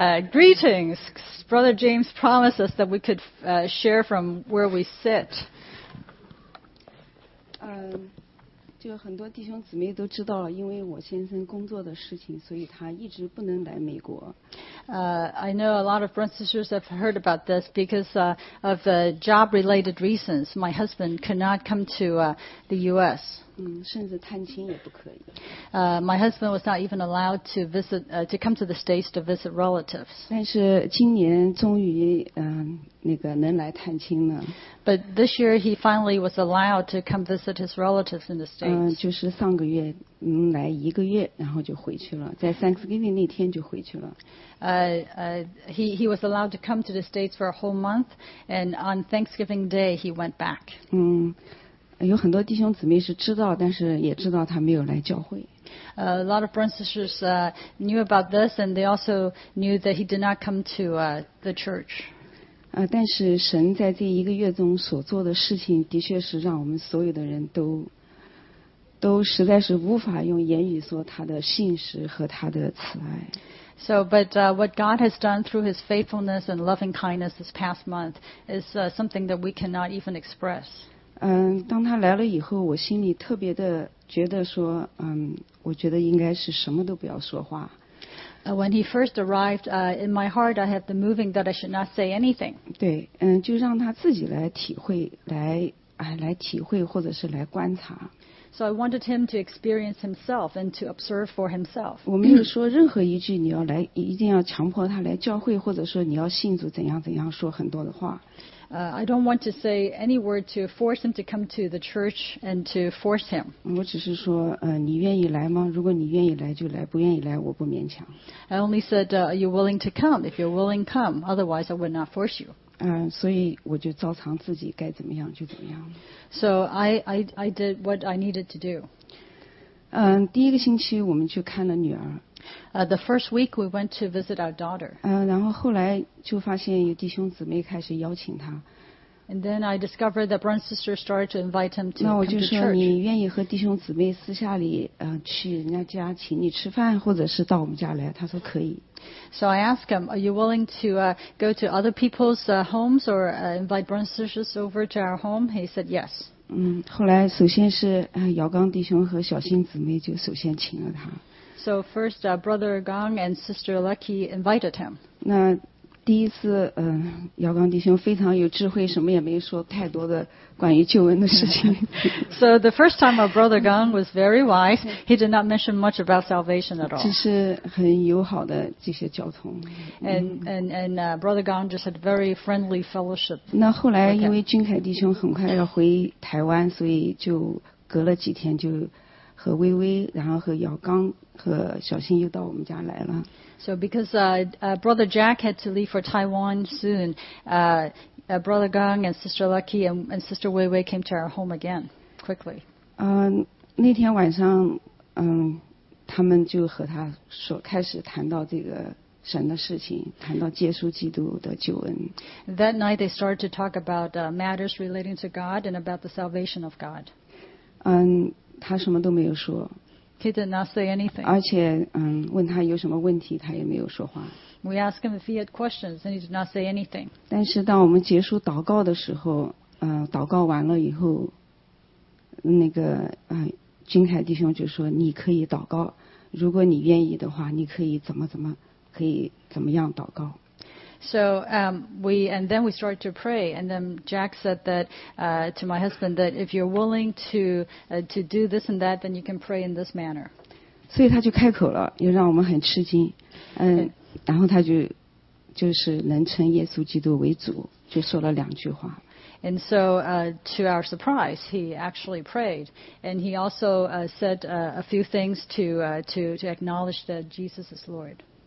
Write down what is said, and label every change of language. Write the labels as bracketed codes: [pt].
[en] Greetings, Brother James promised us that we could share from where we sit. [zh] 就很多弟兄姊妹都知道了，因为我先生工作的事情，所以他一直不能来美国。 [en] I know a lot of brothers and sisters have heard about this because of the job-related reasons. My husband cannot come to the U.S. [zh] 甚至探亲也不可以。 [en] My husband was not even allowed to visit to come to the States to visit relatives. [zh] 但是今年终于那个能来探亲了。 [en] But this year he finally was allowed to come visit his relatives in the States. [zh] 就是上个月来一个月，然后就回去了，在 Thanksgiving 那天就回去了。 [en] He was allowed to come to the States for a whole month, and on Thanksgiving Day he went back. [zh] 有很多弟兄姊妹是知道，但是也知道他没有来教会。 [en] A lot of brothers and sisters knew about this, and they also knew that he did not come to the church. [zh] 但是神在这一个月中所做的事情，的确是让我们所有的人都实在是无法用言语说他的信实和他的慈爱。 [en] So, but what God has done through His faithfulness and loving kindness this past month is something that we cannot even express. [zh] 当他来了以后，我心里特别的觉得说，我觉得应该是什么都不要说话。 [en] When he first arrived, in my heart, I had the moving that I should not say anything. [zh] 对，就让他自己来体会，来体会，或者是来观察。 [en] So I wanted him to experience himself and to observe for himself. [zh] 我没有说任何一句你要来，一定要强迫他来教会，或者说你要信主怎样怎样，说很多的话。 [en] I don't want to say any word to force him to come to the church and to force him. [zh] 我只是说，你愿意来吗？如果你愿意来就来，不愿意来我不勉强。 [en] I only said, are you willing to come? If you're willing, come. Otherwise, I would not force you. [zh] 所以我就照常自己该怎么样就怎么样。 [en] So I did what I needed to do. [zh] 第一个星期我们去看了女儿。 [en] The first week we went to visit our daughter. [zh] 然后后来就发现有弟兄姊妹开始邀请她。 [en] And then I discovered that Brown sister started to invite him to come to church. [zh] 那我就说你愿意和弟兄姊妹私下里去人家家请你吃饭或者是到我们家来他说可以。 [en] So I asked him, are you willing to go to other people's homes or invite Brown sisters over to our home? He said yes. [zh] 后来首先是姚刚弟兄和小新姊妹就首先请了他。 [en] So first Brother Gang and Sister Lucky invited him. [zh] 那第一次姚刚弟兄非常有智慧什么也没说太多的关于救恩的事情。 [en] So the first time our Brother Gang was very wise, he did not mention much about salvation at all. [zh] 只是很友好的这些交通。 [en] And Brother Gang just had very friendly fellowship. [zh] 那后来因为俊凯弟兄很快要回台湾所以就隔了几天就和薇薇然后和姚刚和小新又到我们家来了。 [en] So because Brother Jack had to leave for Taiwan soon, Brother Gang and Sister Lucky and Sister Wei Wei came to our home again quickly. [zh] 那天晚上，他们就和他说开始谈到这个神的事情，谈到耶稣基督的救恩。 [en] That night they started to talk about matters relating to God and about the salvation of God. [zh] 他什么都没有说。 [en] He did not say anything. [zh] 而且问他有什么问题他也没有说话。 [en] We asked him if he had questions and he did not say anything. [zh] 但是当我们结束祷告的时候祷告完了以后那个君凯弟兄就说你可以祷告如果你愿意的话你可以怎么样祷告。 [en] So we started to pray and then Jack said that to my husband that if you're willing to do this and that then you can pray in this manner. [zh] 所以他就开口了，也让我们很吃惊。然后他就是能称耶稣基督为主，就说了两句话。 [en] And so to our surprise, he actually prayed and he also said a few things to acknowledge that Jesus is Lord.